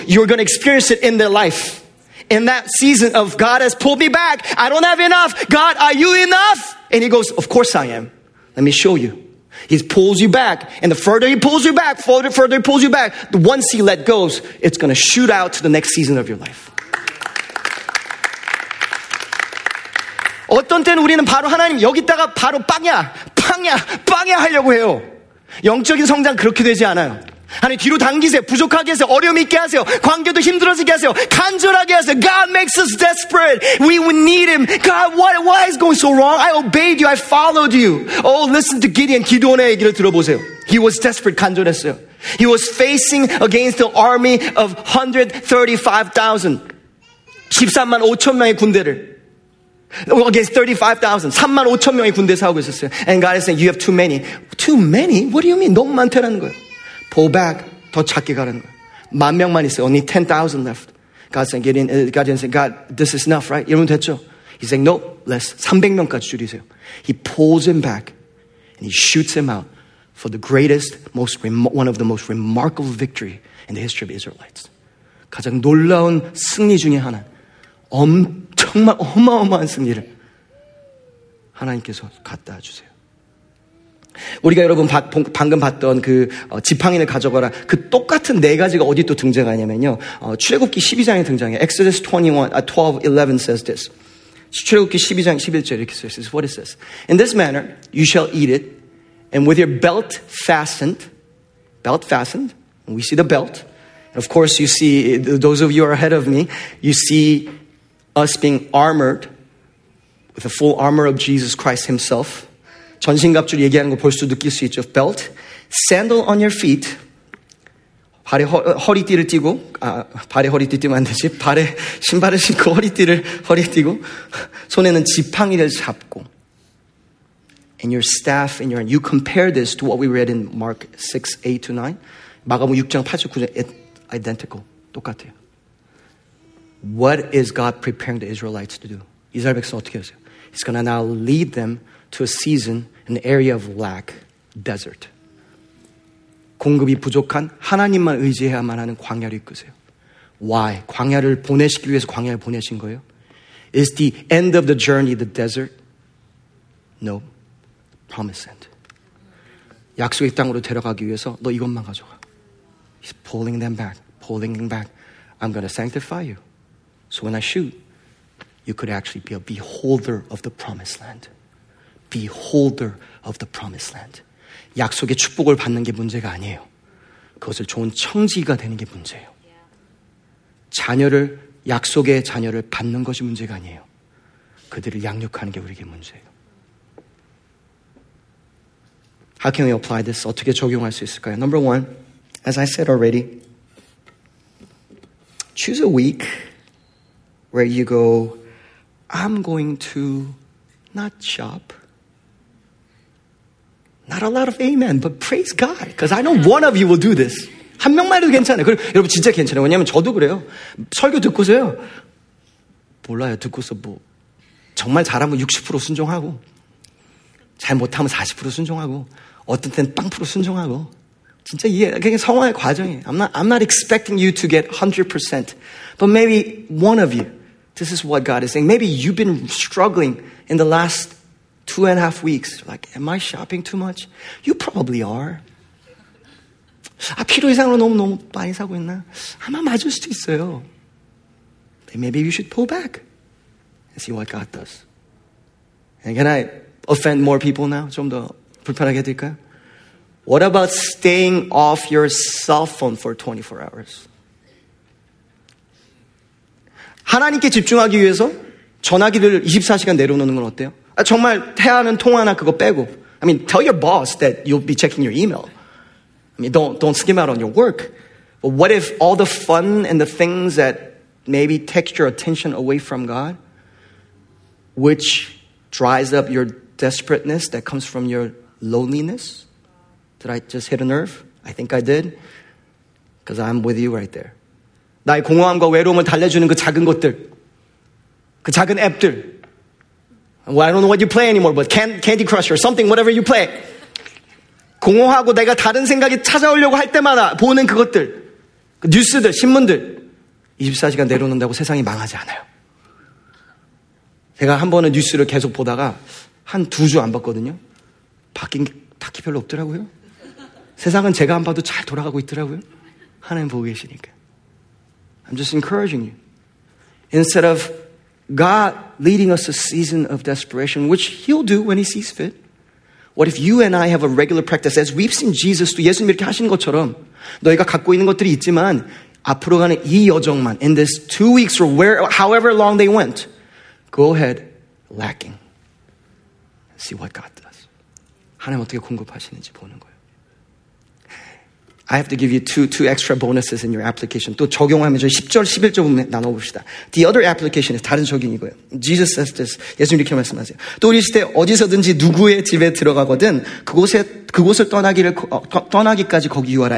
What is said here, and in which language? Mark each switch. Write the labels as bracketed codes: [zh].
[en] You're going to experience it in their life. In that season of God has pulled me back. I don't have enough. God, are you enough? And he goes, of course I am. Let me show you. He pulls you back. And the further he pulls you back, further he pulls you back, the once he let goes, it's going to shoot out to the next season of your life. [ko] 어떤 때는 우리는 바로 하나님 여기다가 바로 빵이야, 빵이야, 빵이야 하려고 해요. 영적인 성장 그렇게 되지 않아요. 하나님 뒤로 당기세요. 부족하게 하세요. 어려움 있게 하세요. 관계도 힘들어지게 하세요. 간절하게 하세요. [en] God makes us desperate. We need him. God, why is going so wrong? I obeyed you. I followed you. Oh, listen to Gideon. [ko] 기도원의 얘기를 들어보세요. [en] He was desperate. [ko] 간절했어요. [en] He was facing against the army of 135,000. [ko] 13만 5천 명의 군대를. [en] Against 35,000. [ko] 3만 5천 명의 군대 싸우고 있었어요. [en] And God is saying, you have too many. Too many? What do you mean? [ko] 너무 많다는 거예요. [en] Pull back. [ko] 더 작게 가라는 거예요. 만 명만 있어요. [en] Only 10,000 left. God saying, get in. God saying, God, this is enough, right? [ko] 이러면 됐죠? [en] He's saying, no, less. [ko] 300명까지 줄이세요. [en] He pulls him back. And he shoots him out for the greatest, one of the most remarkable victory in the history of Israelites. [ko] 가장 놀라운 승리 중에 하나. 정말 어마어마한 승리를 하나님께서 갖다 주세요. 우리가 여러분 방금 봤던 그 지팡이를 가져가라. 그 똑같은 네 가지가 어디 또 등장하냐면요. 출애굽기 12장에 등장해요. [en] Exodus 12:11 says this. [ko] 출애굽기 12장 11절 이렇게 써 있어요. [en] What it says. In this manner you shall eat it and with your belt fastened. Belt fastened. We see the belt. And of course you see those of you who are ahead of me. You see us being armored with the full armor of Jesus Christ himself. [ko] 전신갑주를 얘기하는 거 벌써 느낄 수 있죠. [en] Belt, sandal on your feet. [ko] 발에 허리띠를 띠고, 발에 허리띠 띠면 안 되지. 발에 신발을 신고 허리 띠고, 손에는 지팡이를 잡고. [en] And your staff in your hand. You compare this to what we read in Mark 6:8-9. [ko] 마가복음 6장 8절 9절. [en] Identical. [ko] 똑같아요. [en] What is God preparing the Israelites to do? [ko] 이스라엘 백성 어떻게 하세요? [en] He's going to now lead them to a season, an area of lack, desert. [ko] 공급이 부족한 하나님만 의지해야만 하는 광야를 이끄세요. [en] Why? [ko] 광야를 보내시기 위해서 광야를 보내신 거예요? [en] Is the end of the journey the desert? No. Promised land. [ko] 약속의 땅으로 데려가기 위해서 너 이것만 가져가. [en] He's pulling them back, pulling them back. I'm going to sanctify you. So when I shoot, you could actually be a beholder of the promised land. Beholder of the promised land. [ko] 약속의 축복을 받는 게 문제가 아니에요. 그것을 좋은 청지기가 되는 게 문제예요. 자녀를, 약속의 자녀를 받는 것이 문제가 아니에요. 그들을 양육하는 게 우리에게 문제예요. [en] How can we apply this? [ko] 어떻게 적용할 수 있을까요? [en] Number one, as I said already, choose a week where you go, I'm going to not shop. Not a lot of amen, but praise God. Because I know one of you will do this. [ko] 한 명만 해도 괜찮아요. 그리고 여러분 진짜 괜찮아요. 왜냐하면 저도 그래요. 설교 듣고서요. 몰라요. 듣고서 뭐 정말 잘하면 60% 순종하고 잘 못하면 40% 순종하고 어떤 때는 0% 순종하고 진짜 이게 그냥 성화의 과정이에요. [en] I'm not expecting you to get 100%. But maybe one of you, this is what God is saying. Maybe you've been struggling in the last 2.5 weeks. Like, am I shopping too much? You probably are. [ko] 아, 필요 이상으로 너무 많이 사고 있나? 아마 맞을 수도 있어요. [en] Then maybe you should pull back and see what God does. And can I offend more people now? [ko] 좀 더 불편하게 해드릴까요? [en] What about staying off your cell phone for 24 hours? [ko] 하나님께 집중하기 위해서 전화기를 24시간 내려놓는 건 어때요? 아, 정말 해야 하는 통화나 그거 빼고. [en] I mean, tell your boss that you'll be checking your email. I mean, don't skim out on your work. But what if all the fun and the things that maybe take your attention away from God, which dries up your desperateness that comes from your loneliness? Did I just hit a nerve? I think I did. Because I'm with you right there. [ko] 나의 공허함과 외로움을 달래주는 그 작은 것들, 그 작은 앱들. [en] Well, I don't know what you play anymore, but Candy Crush or something, whatever you play. [ko] 공허하고 내가 다른 생각이 찾아오려고 할 때마다 보는 그것들, 그 뉴스들, 신문들. 24시간 내려놓는다고 세상이 망하지 않아요. 제가 한 번은 뉴스를 계속 보다가 한 두 주 안 봤거든요. 바뀐 게 딱히 별로 없더라고요. 세상은 제가 안 봐도 잘 돌아가고 있더라고요. 하나님 보고 계시니까. [en] I'm just encouraging you. Instead of God leading us a season of desperation, which He'll do when He sees fit, what if you and I have a regular practice, as we've seen Jesus do, [ko] 예수님 이렇게 하시는 것처럼 너희가 갖고 있는 것들이 있지만 앞으로 가는 이 여정만, [en] in this 2 weeks or where, however long they went, go ahead, lacking. See what God does. [ko] 하나님 어떻게 공급하시는지 보는 거예요. [en] I have to give you two extra bonuses in your application. [ko] 또 적용하면 10절, 11절 보면 나눠봅시다. [en] The other application is [ko] 다른 적용이고요. [en] Jesus says this. [ko] 예수님 이렇게 말씀하세요. 또 우리 시대 어디서든지 누구의 집에 들어가거든 그곳을 떠나기까지 거기 유하라.